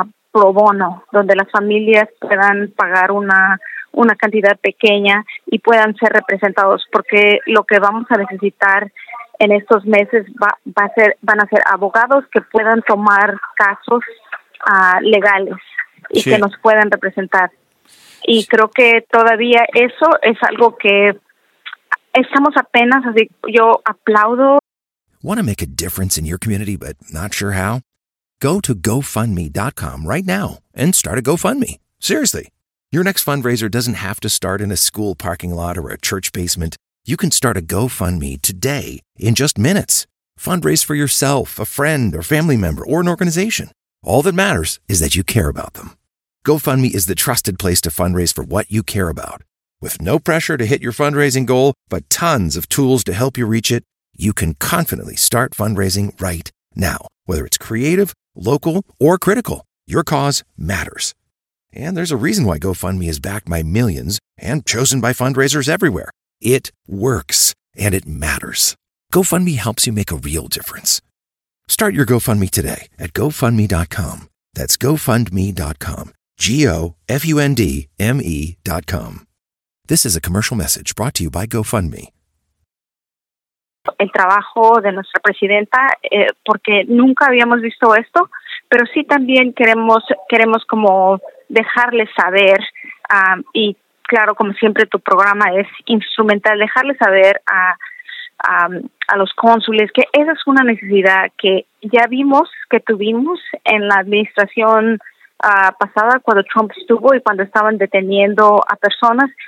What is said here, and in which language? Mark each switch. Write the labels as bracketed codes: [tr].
[es] pro bono, donde las familias puedan pagar una cantidad pequeña y puedan ser representados, porque lo que vamos a necesitar en estos meses van a ser abogados que puedan tomar casos legales y sí, que nos puedan representar. Y sí, creo que todavía eso es algo que estamos apenas, así yo aplaudo. [en] Want to make a difference in your community but not sure how? Go to GoFundMe.com right now and start a GoFundMe. Seriously, your next fundraiser doesn't have to start in a school parking lot or a church basement. You can start a GoFundMe today in just minutes. Fundraise for yourself, a friend, or family member, or an organization. All that matters is that you care about them. GoFundMe is the trusted place to fundraise for what you care about. With no pressure to hit your fundraising goal, but tons of tools to help you reach it, you can confidently start fundraising right now. Whether it's creative, local, or critical, your cause matters. And there's a reason why GoFundMe is backed by millions and chosen by fundraisers everywhere. It works, and it matters. GoFundMe helps you make a real difference. Start your GoFundMe today at GoFundMe.com. That's GoFundMe.com. GoFundMe.com. This is a commercial message brought to you by GoFundMe. [es] El trabajo de nuestra presidenta, porque nunca habíamos visto esto, pero sí también queremos como dejarles saber, y claro, como siempre tu programa es instrumental, dejarles saber a los cónsules que esa es una necesidad que ya vimos que tuvimos en la administración pasada cuando Trump estuvo y cuando estaban deteniendo a personas.